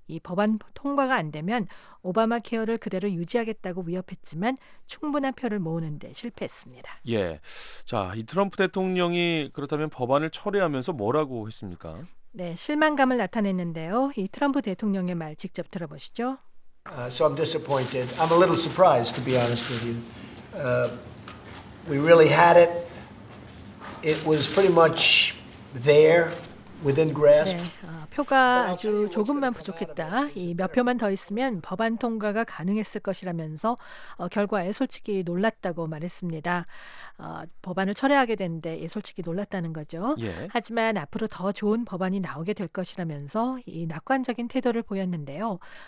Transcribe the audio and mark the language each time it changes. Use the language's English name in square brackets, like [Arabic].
[Korean] 이 법안 통과가 안 되면 오바마 케어를 그대로 유지하겠다고 위협했지만 충분한 표를 모으는 데 실패했습니다. 예, 자, 이 트럼프 대통령이 그렇다면 법안을 철회하면서 뭐라고 했습니까? 네, 실망감을 나타냈는데요. 이 트럼프 대통령의 말 직접 들어보시죠. [English] So I'm disappointed. I'm a little surprised, to be honest with you. We really had it. It was pretty much there, within grasp. [Korean] 네, 표가 아주 조금만 부족했다. 이 몇 표만 더 있으면 법안 통과가 가능했을 것이라면서 결과에 솔직히 놀랐다고 말했습니다. 법안을 철회하게 됐는데 솔직히 놀랐다는 거죠. 예. 하지만 앞으로 더 좋은 법안이 나오게 될 것이라면서 이 낙관적인 태도를 보였는데요.